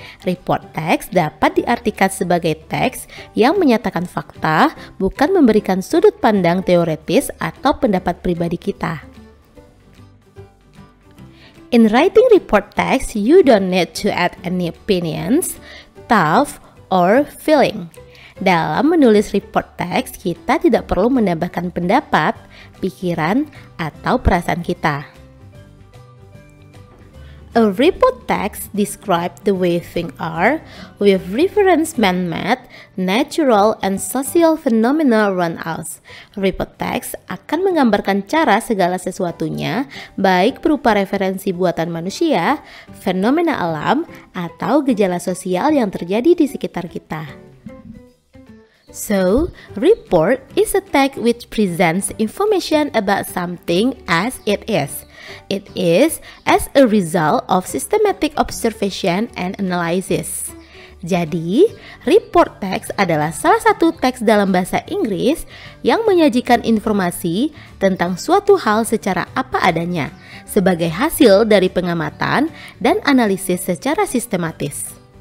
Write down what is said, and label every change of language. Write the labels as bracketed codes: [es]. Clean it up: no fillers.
[id] Report text dapat diartikan sebagai teks yang menyatakan fakta, bukan memberikan sudut pandang teoretis atau pendapat pribadi kita. [en] In writing report text, you don't need to add any opinions, thought, or feeling. [id] Dalam menulis report text, kita tidak perlu menambahkan pendapat, pikiran, atau perasaan kita. [en] A report text describes the way things are, with reference man-made, natural, and social phenomena around us. [id] Report text akan menggambarkan cara segala sesuatunya, baik berupa referensi buatan manusia, fenomena alam, atau gejala sosial yang terjadi di sekitar kita. [en] So, report is a text which presents information about something as it is. It is as a result of systematic observation and analysis. [id] Jadi, report text adalah salah satu teks dalam bahasa Inggris yang menyajikan informasi tentang suatu hal secara apa adanya, sebagai hasil dari pengamatan dan analisis secara sistematis.